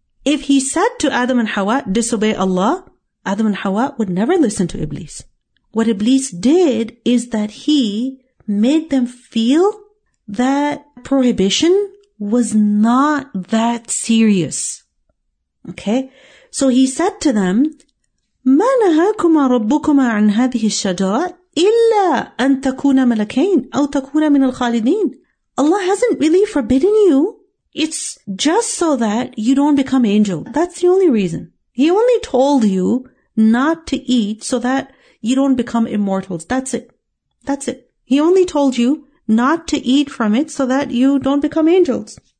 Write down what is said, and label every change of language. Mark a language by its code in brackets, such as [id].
[en] If he said to Adam and Hawa, disobey Allah, Adam and Hawa would never listen to Iblis. What Iblis did is that he made them feel that prohibition was not that serious. Okay? So he said to them, [ar] مَا نَهَاكُمَا رَبُّكُمَا عَنْ هَذِهِ الشَّجَرَةِ إِلَّا أَن تَكُونَ مَلَكَيْنِ أَوْ تَكُونَ مِنَ الْخَالِدِينَ. [en] Allah hasn't really forbidden you. It's just so that you don't become angel. That's the only reason. He only told you not to eat so that you don't become immortals. That's it. That's it. He only told you not to eat from it so that you don't become angels.